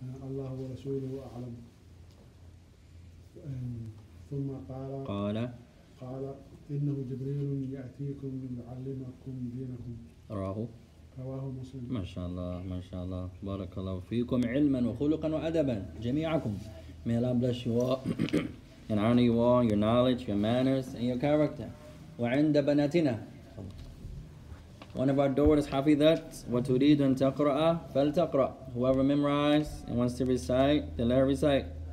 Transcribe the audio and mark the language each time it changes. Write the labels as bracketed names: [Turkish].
[Arabic] الله ورسوله أعلم. ثم قال إنه جبريل يأتيكم ليعلمكم دينكم. رواه مسلم. ما شاء الله بارك الله فيكم علما وخلقا وأدبا جميعكم. [English] May Allah bless you all and honor you all, your knowledge, your manners, and your character. [Arabic] وَعِنْدَ بَنَاتِنَا. [English] One of our daughters, [Arabic] حَفِظَتْ وَتُرِيدُ أَنْ تَقْرَأَ فَلْتَقْرَأَ. [English] Whoever memorizes and wants to recite, then let her recite.